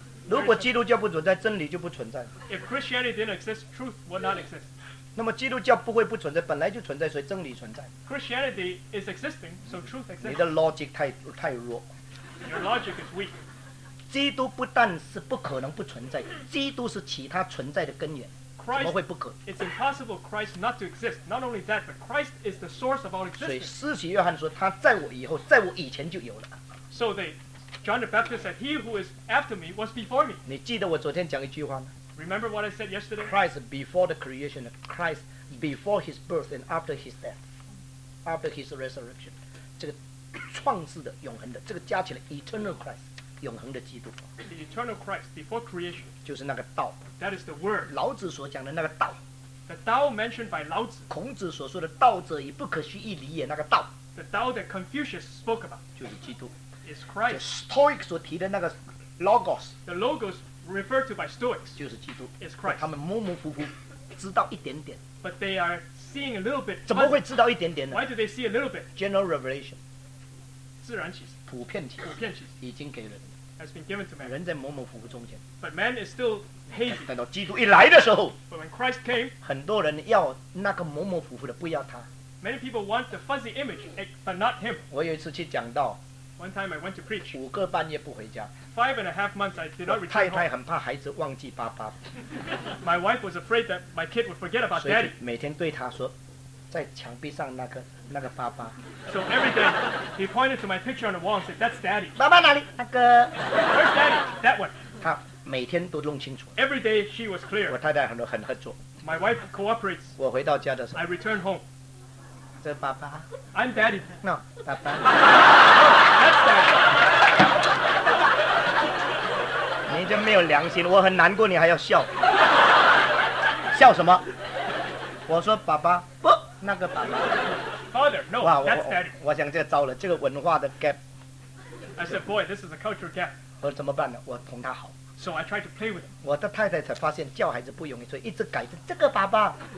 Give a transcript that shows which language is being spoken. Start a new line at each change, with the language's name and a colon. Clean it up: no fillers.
Chinese: 如果基督教不存在，真理就不存在。
English: If Christianity didn't exist, truth would not exist.
Chinese: 那么基督教不会不存在，本来就存在，所以真理存在。
English: Christianity is existing, so truth exists.
Chinese: 你的 logic 太弱。
English: Your logic is weak.
Chinese: 基督不但是不可能不存在，基督是其他存在的根源。
English: Christ,
Chinese: 怎么会不可？
English: It's impossible Christ not to exist. Not only that, but Christ is the source of all existence.
Chinese: 所以施洗约翰说，他在我以后，在我以前就有了。
English: So they. John the Baptist said, "He who is after me was before me."
Chinese: 你记得我昨天讲一句话吗？
English: Remember what I said yesterday? Christ before the creation, Christ before his birth and after his death, after his resurrection.
Chinese: 这个创世的永恒的，这个加起来
English: eternal Christ,
Chinese: 永恒的基督。
English: The eternal Christ before creation.
Chinese: 就是那个道。
English: That is the word.
Chinese: 老子所讲的那个道。
English: The Tao mentioned by 老子。
Chinese: 孔子所说的道者也不可须臾离也，那个道。
English: The Tao that Confucius spoke about.
Chinese: 就是基督。
English: Is Christ.
Chinese: Stoics 所提的那个 Logos,
English: the Logos referred to by Stoics,
Chinese: 就是基督。
English: Is Christ.
Chinese: 他们模模糊糊知道一点点。
English: But they are seeing a little bit.
Chinese: 怎么会知道一点点呢？
English: Why do they see a little bit? General revelation.
Chinese: 自然启示。普遍启示。已经给人。 Has been given to man. 人在模模糊糊中间。
English: But man is still hazy.
Chinese: 等到基督一来的时候。
English: But when Christ came.
Chinese: 很多人要那个模模糊糊的，不要他。
English: Many people want the fuzzy image, but not him.
Chinese: 我有一次去讲道。
English: One time I went to preach.
Chinese: 五个半夜不回家。
English: Five and a half months I did not return.
Chinese: 太太很怕孩子忘记爸爸。
English: My wife was afraid that my kid would forget about daddy.
Chinese: 所以每天对他说，在墙壁上那个爸爸。
English: So every day he pointed to my picture on the wall and said, "That's daddy."
Chinese: 爸爸哪里？那个。
English: Where's daddy? That one.
Chinese: 他每天都弄清楚。
English: Every day she was clear.
Chinese: 我太太很合作。
English: My wife cooperates.
Chinese: 我回到家的时候。
English: I return home.
Chinese: 这爸爸
English: I'm daddy.
Chinese: No, 爸爸
English: That's daddy.
Chinese: 你这没有良心，我很难过，你还要笑。笑什么？我说爸爸，不，那个爸爸。
English: father. No, that's daddy.
Chinese: 我想这个糟了，这个文化的 gap.
English: I said, boy, this is a cultural gap.
Chinese: 我怎么办呢？我哄他好。
English: So I tried to play with him.
Chinese: 我的太太才发现叫孩子不容易，所以一直改着这个爸爸。